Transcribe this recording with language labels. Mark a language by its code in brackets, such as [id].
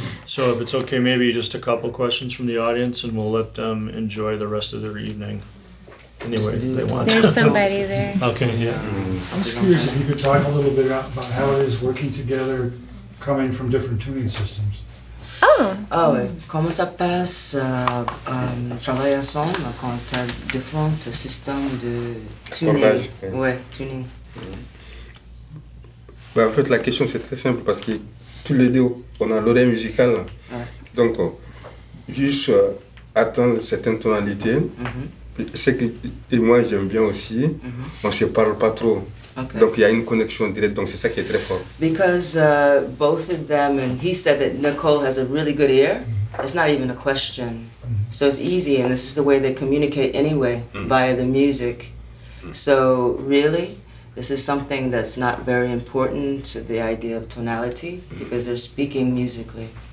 [en] So if it's okay, maybe just a couple questions from the audience and we'll let them enjoy the rest of their evening anyway if they want. There's somebody there. Okay, yeah. I'm just curious if you could talk a little bit about how it is working together coming from different tuning systems. [fr] Oh, comment ça passe travailler ensemble quand tu as différents systèmes de tuning. Ouais, tuning. Bah, en fait, la question, c'est très simple parce que tous les deux, on a l'oreille musicale. Ouais. Donc, juste attendre certaines tonalités. Mm-hmm. C'est que, et moi, j'aime bien aussi. Mm-hmm. On ne se parle pas trop. Okay. Donc, il y a une connexion directe. Donc, c'est ça qui est très fort. [en] Because both of them, and he said that Nicole has a really good ear. It's not even a question. So, it's easy. And this is the way they communicate anyway, via the music. So, really? This is something that's not very important, the idea of tonality, because they're speaking musically.